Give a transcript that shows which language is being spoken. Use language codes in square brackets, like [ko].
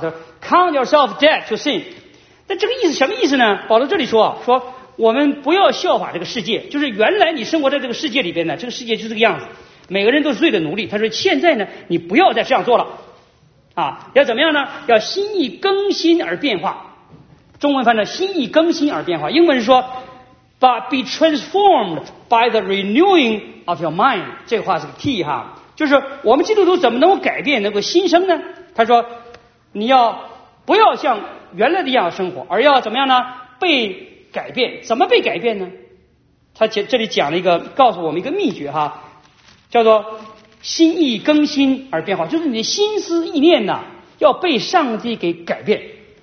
[zh] 他说 ， [en] Count yourself dead to sin。 [zh] 那这个意思什么意思呢？保罗这里说。我们不要效法这个世界，就是原来你生活在这个世界里边呢，这个世界就是这个样子，每个人都是罪的奴隶。他说现在呢，你不要再这样做了啊，要怎么样呢？要心意更新而变化。中文翻译心意更新而变化，英文是说 [en] but be transformed by the renewing of your mind。 [zh] 这话是个 key 哈，就是我们基督徒怎么能够改变，能够新生呢？他说你要不要像原来的样子生活，而要怎么样呢？被改变。怎么被改变呢？他这里讲了一个，告诉我们一个秘诀哈，叫做心意更新而变化，就是你的心思意念呢要被上帝给改变。